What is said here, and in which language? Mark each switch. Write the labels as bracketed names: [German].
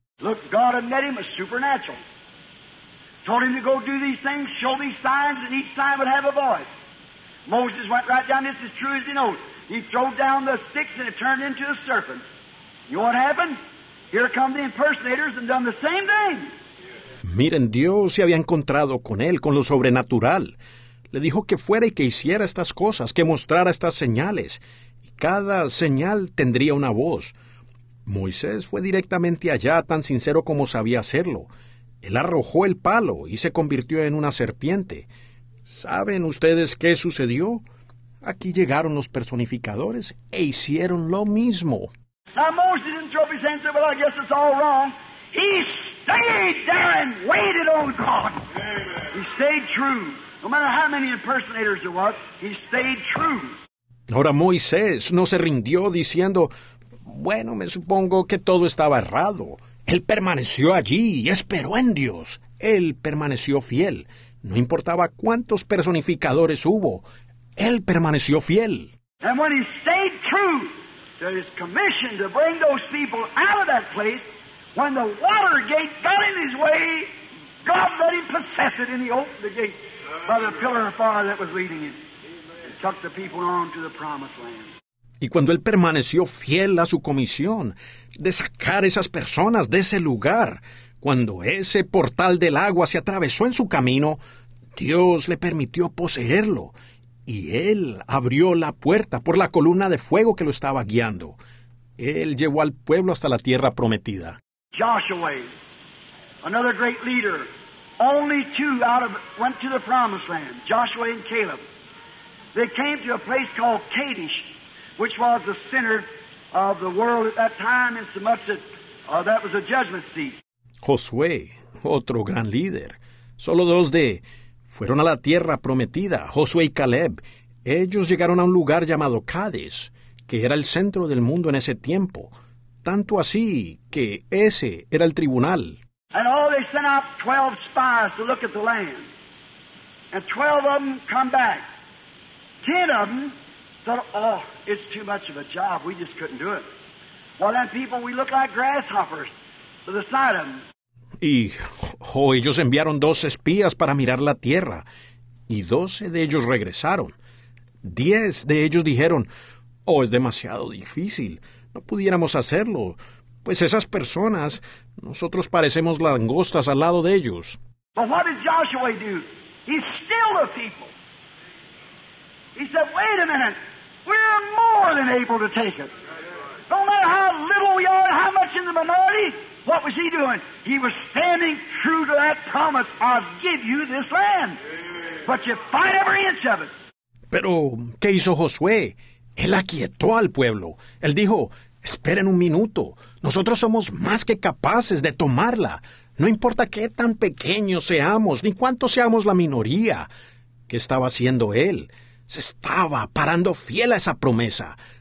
[English] Look, God had met him as supernatural. Told him to go do these things, show these signs, and each sign would have a voice. Moses went right down, this is true as he knows. He threw down the sticks and it turned into a serpent. You know what happened? Here come the impersonators and done the same thing. [Spanish] Miren, Dios se había encontrado con él, con lo sobrenatural. Le dijo que fuera y que hiciera estas cosas, que mostrara estas señales. Y cada señal tendría una voz. Moisés fue directamente allá, tan sincero como sabía hacerlo. Él arrojó el palo y se convirtió en una serpiente. ¿Saben ustedes qué sucedió? Aquí llegaron los personificadores e hicieron lo mismo. [English] Now Moses didn't throw up his hands and say, well, I guess it's all wrong. He stayed there and waited on God. Amen. He stayed true. No matter how many impersonators there was, he stayed true. [Spanish] Ahora Moisés no se rindió diciendo, bueno, me supongo que todo estaba errado. Él permaneció allí y esperó en Dios. Él permaneció fiel. No importaba cuántos personificadores hubo. Él permaneció fiel. [English] And when he stayed true, to his commission to bring those people out of that place, when the water gate got in his way, God let him possess it, and he opened the gate by the pillar of fire that was leading him, and took the people on to the promised land. [Spanish] Y cuando él permaneció fiel a su comisión de sacar esas personas de ese lugar, cuando ese portal del agua se atravesó en su camino, Dios le permitió poseerlo. Y él abrió la puerta por la columna de fuego que lo estaba guiando. Él llevó al pueblo hasta la tierra prometida. [English] Joshua, another great leader, only two out of went to the promised land, Joshua and Caleb. They came to a place called Kadesh, which was the center of the world at that time, in so much that that was a judgment seat. [Spanish] Josué, otro gran líder, solo dos de fueron a la tierra prometida, Josué y Caleb. Ellos llegaron a un lugar llamado Cades, que era el centro del mundo en ese tiempo, tanto así que ese era el tribunal. [English] And all they sent out 12 spies to look at the land. And 12 of them come back. 10 of them thought, oh, it's too much of a job. We just couldn't do it. Well, then, people, we look like grasshoppers to the sight of them. [Spanish] Y, oh, ellos enviaron 2 espías para mirar la tierra. Y 12 de ellos regresaron. 10 de ellos dijeron, oh, es demasiado difícil. No pudiéramos hacerlo. Pues esas personas, nosotros parecemos langostas al lado de ellos. [English] But what did Joshua do? He stilled the people. He said, wait a minute, we're more than able to take it. No matter how little we are, how much in the minority, what was he doing? He was standing true to that promise, I'll give you this land. But you fight every inch of it. [Spanish] Pero, ¿qué hizo Josué? Él aquietó al pueblo. Él dijo, esperen un minuto. Nosotros somos más que capaces de tomarla. No importa qué tan pequeños seamos, ni cuánto seamos la minoría. ¿Qué estaba haciendo él? Se estaba parando fiel a esa promesa.